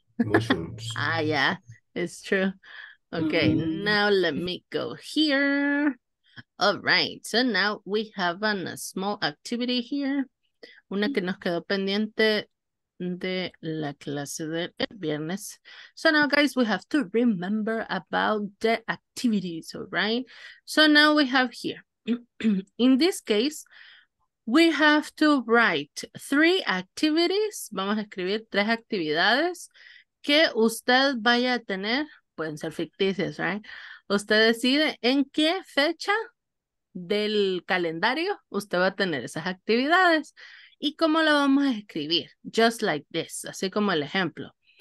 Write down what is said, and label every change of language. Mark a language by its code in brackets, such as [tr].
[en] Mushrooms. Ah, yeah, it's true. Okay, now let me go here. All right, so now we have a small activity here. [es] Una que nos quedó pendiente de la clase del viernes. [en] So now, guys, we have to remember about the activities, all right? So now we have here. In this case, we have to write three activities. [es] Vamos a escribir tres actividades que usted vaya a tener. Pueden ser ficticias, right? Usted decide en qué fecha del calendario, usted va a tener esas actividades. ¿Y cómo lo vamos a escribir? [en] Just like this, [es] así como el ejemplo.